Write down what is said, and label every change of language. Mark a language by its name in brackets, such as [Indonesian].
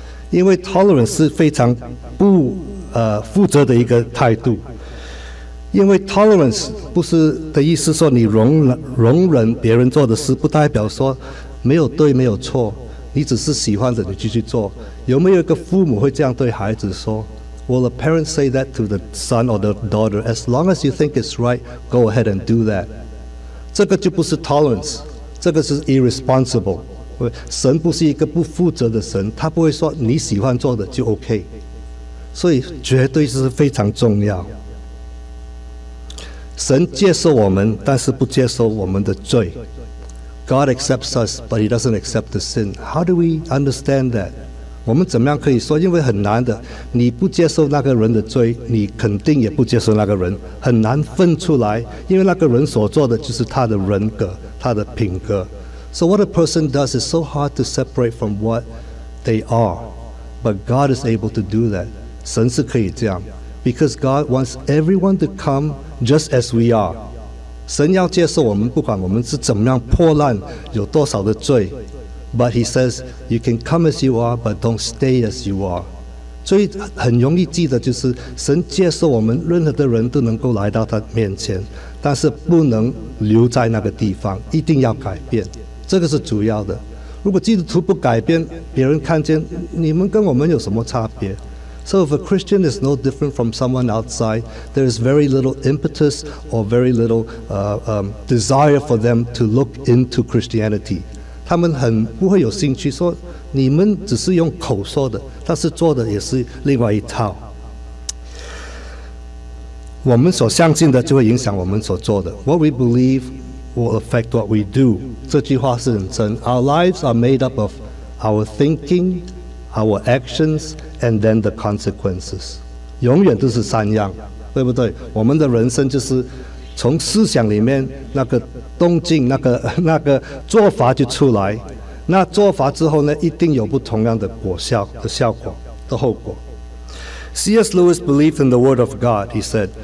[Chinese] 因为 tolerance 是非常不负责的一个态度。因为 tolerance 不是的意思说你容忍别人做的事，不代表说没有对没有错，你只是喜欢的你继续做。有没有一个父母会这样对孩子说？ [English] Will a parent say that to the son or the daughter? As long as you think it's right, go ahead and do that. [Chinese] 这个就不是 tolerance， 这个是 irresponsible。神不是一个不负责的神，他不会说你喜欢做的就 OK。所以绝对是非常重要。神接受我们，但是不接受我们的罪。 [English] God accepts us, but he doesn't accept the sin. How do we understand that? [Chinese] 我们怎么样可以说？因为很难的，你不接受那个人的罪，你肯定也不接受那个人，很难分出来，因为那个人所做的就是他的人格，他的品格。 [English] So what a person does is so hard to separate from what they are, but God is able to do that. [Chinese] 神是可以这样， [English] because God wants everyone to come just as we are。 [Chinese] 神要接受我们，不管我们是怎么样破烂，有多少的罪。 [English] But he says, you can come as you are, but don't stay as you are. [Chinese] 所以很容易记得就是，神接受我们，任何的人都能够来到他面前，但是不能留在那个地方，一定要改变，这个是主要的。如果基督徒不改变，别人看见你们跟我们有什么差别？ [English] So if a Christian is no different from someone outside, there is very little impetus or very little desire for them to look into Christianity. [Chinese] 他们很不会有兴趣说，你们只是用口说的，但是做的也是另外一套。我们所相信的就会影响我们所做的。 [English] What we believe will affect what we do. [Chinese] 这句话是很真。 [English] Our lives are made up of our thinking,our actions, and then the consequences. [Chinese] 永远都是三样，对不对？我们的人生就是从思想里面那个动静，那个做法就出来。那做法之后呢，一定有不同样的果效的效果的后果。 [English] C.S. Lewis believed in the word of God, he said.